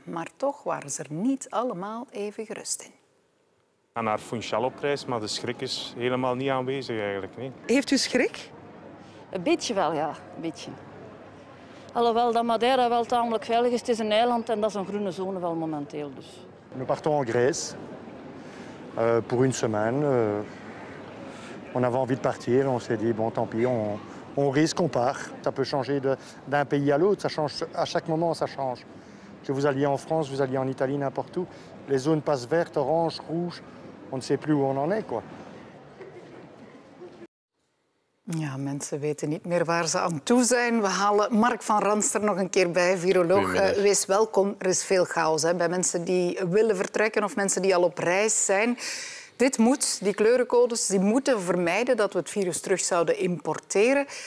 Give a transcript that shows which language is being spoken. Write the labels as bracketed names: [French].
[Dutch] Maar toch waren ze er niet allemaal even gerust in. Ik ga naar Funchal op reis, maar de schrik is helemaal niet aanwezig eigenlijk. Nee. Heeft u schrik? Een beetje wel, ja. Een beetje. Alhoewel dat Madeira wel tamelijk veilig is. Het is een eiland en dat is een groene zone wel momenteel. Dus. [French] Nous partons en grijs. Pour une semaine, on avait envie de partir. On s'est dit, bon, tant pis, on risque, on part. Ça peut changer d'un pays à l'autre. Ça change à chaque moment, ça change. Que vous alliez en France, vous alliez en Italie, n'importe où. Les zones passent vertes, oranges, rouges. On ne sait plus où on en est, quoi. [Dutch] Ja, mensen weten niet meer waar ze aan toe zijn. We halen Mark van Ranster nog een keer bij, viroloog. Wees welkom. Er is veel chaos, hè, bij mensen die willen vertrekken of mensen die al op reis zijn. Dit moet, die kleurencodes, die moeten vermijden dat we het virus terug zouden importeren.